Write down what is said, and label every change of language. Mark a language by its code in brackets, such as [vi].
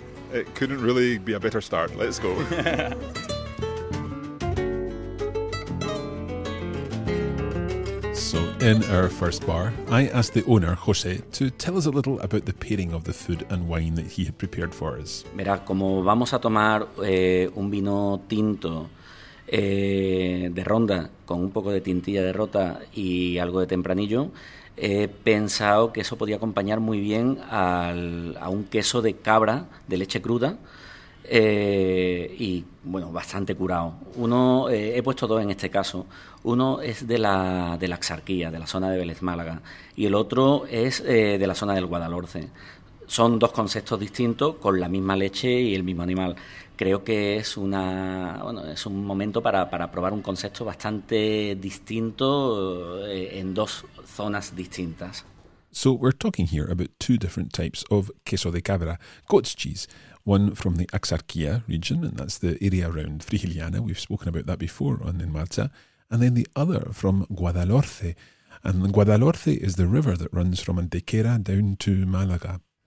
[en] It couldn't really be a better start. Let's go. So, in our first bar, I asked the owner, José, to tell us a little about the pairing of the food and wine that he had prepared for us. [es] Mira, como vamos a tomar un vino tinto de Ronda, con un poco de tintilla de Rota y algo de tempranillo, he pensado que eso podía acompañar muy bien a un queso de cabra de leche cruda, Y bueno, bastante curado. Uno, he puesto dos en este caso. Uno es de la Axarquía, de la zona de Vélez Málaga, y el otro es de la zona del Guadalhorce. Son dos conceptos distintos, con la misma leche y el mismo animal. Creo que es un momento para probar un concepto bastante distinto en dos zonas distintas. [en] So we're talking here about two different types of [es] queso de cabra, [en] goat's cheese. One from the Axarquía region, and that's the area around Frigiliana. We've spoken about that before on En Marcha. And then the other from Guadalhorce. And Guadalhorce is the river that runs from Antequera down to Málaga.